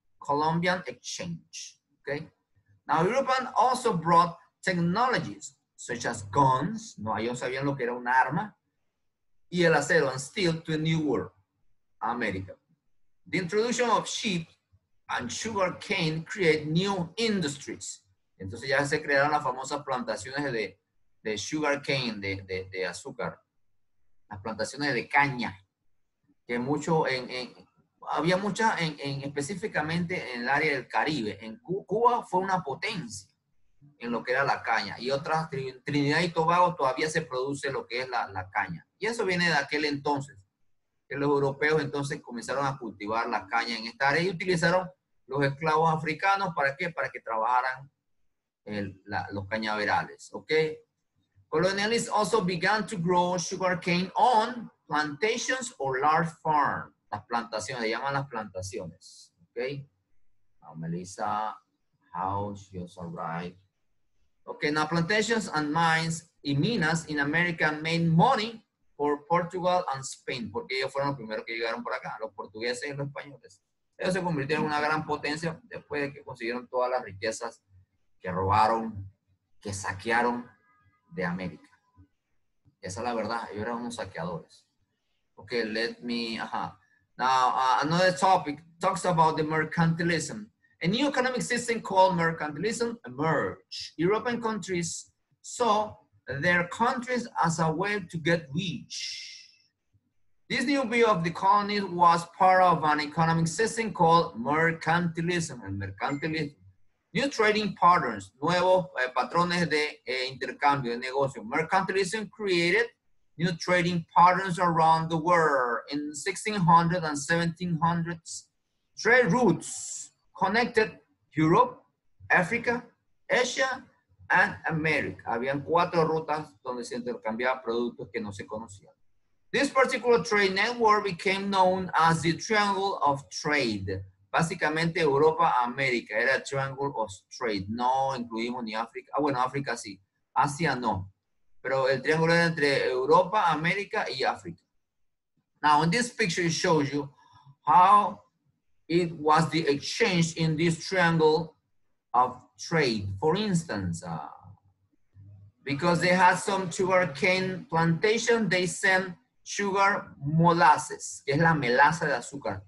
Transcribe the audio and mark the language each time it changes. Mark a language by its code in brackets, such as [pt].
[en] Columbian Exchange, okay? Now, Europeans also brought technologies such as guns, no, [es] ellos sabían lo que era un arma, y el acero, [en] and steel, to a new world, America. The introduction of sheep and sugar cane create new industries. [es] Entonces ya se crearon las famosas plantaciones de sugar cane, de azúcar, las plantaciones de caña, que mucho había muchas en específicamente en el área del Caribe. En Cuba fue una potencia en lo que era la caña. Y otras, Trinidad y Tobago, todavía se produce lo que es la caña. Y eso viene de aquel entonces, que los europeos entonces comenzaron a cultivar la caña en esta área y utilizaron los esclavos africanos, ¿para qué? Para que trabajaran los cañaverales, ¿ok? [en] Colonialists also began to grow sugar cane on plantations or large farms. [es] Las plantaciones, se llaman las plantaciones, ¿ok? [en] Now, Melissa, house, you're right. Okay, now plantations and mines [es] y minas [en] in America made money for Portugal and Spain. [es] Porque ellos fueron los primeros que llegaron por acá, los portugueses y los españoles. Ellos se convirtieron en una gran potencia después de que consiguieron todas las riquezas que robaron, que saquearon de América. Esa es la verdad, ellos eran unos saqueadores. [en] Okay, let me, Now, another topic talks about the mercantilism. A new economic system called mercantilism emerged. European countries saw their countries as a way to get rich. This new view of the colonies was part of an economic system called mercantilism. [es] El mercantilismo. [en] New trading patterns, [es] nuevos patrones de intercambio, de negocio. [en] Mercantilism created new trading patterns around the world. In 1600s and 1700s, trade routes connected Europe, Africa, Asia, and America. [es] Habían cuatro rutas donde se intercambiaban productos que no se conocían. [en] This particular trade network became known as the Triangle of Trade. [es] Básicamente, Europa-América era el Triangle of Trade. No incluimos ni África. Ah, bueno, África sí. Asia no. Pero el triángulo era entre Europa, América y África. [en] Now, in this picture, it shows you how it was the exchange in this triangle of trade. For instance, because they had some sugar cane plantation, they sent sugar molasses, [es] que es la melaza de azúcar.